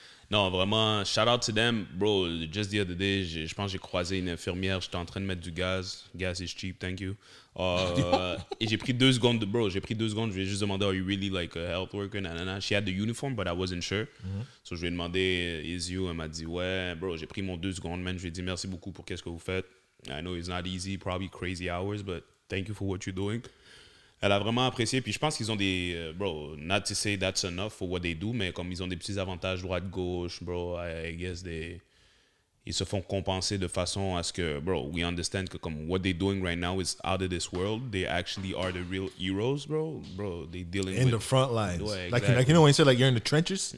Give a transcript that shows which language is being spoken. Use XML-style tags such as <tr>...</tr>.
<fr>Non, vraiment,</fr> <en>shout out to them.</en> <fr>Bro,</fr> <en>just the other day,</en> <fr>je pense que j'ai croisé une infirmière. J'étais en train de mettre du gaz.</fr> <en>Gas is cheap, thank you.</en> <fr>et j'ai pris deux secondes. Bro, j'ai pris deux secondes. Je lui ai juste demandé,</fr> <en>are you really like a health worker?</en> <fr>Nanana.</fr> <en>She had the uniform, but I wasn't sure.</en> <fr>Mm-hmm. So je lui ai demandé,</fr> <en>is you?</en> <fr>Elle m'a dit, ouais, bro, j'ai pris mon deux secondes. Man, je lui ai dit, merci beaucoup pour qu'est-ce que vous faites.</fr> <en>I know it's not easy, probably crazy hours, but thank you for what you're doing.</en> <fr>Elle a vraiment apprécié. Puis je pense qu'ils ont des... bro,</fr> <en>not to say that's enough for what they do,</en> <fr>mais comme ils ont des petits avantages droite-gauche, bro,</fr> <en>I guess they...</en> <fr>Ils se font compenser de façon à ce que...</fr> <en>Bro, we understand</en> <fr>que comme</fr> <en>what they're doing right now is out of this world. They actually are the real heroes, bro. Bro, they're dealing in with... In the front lines. Ouais, exactly. Like, you know when you say, like, you're in the trenches?</en>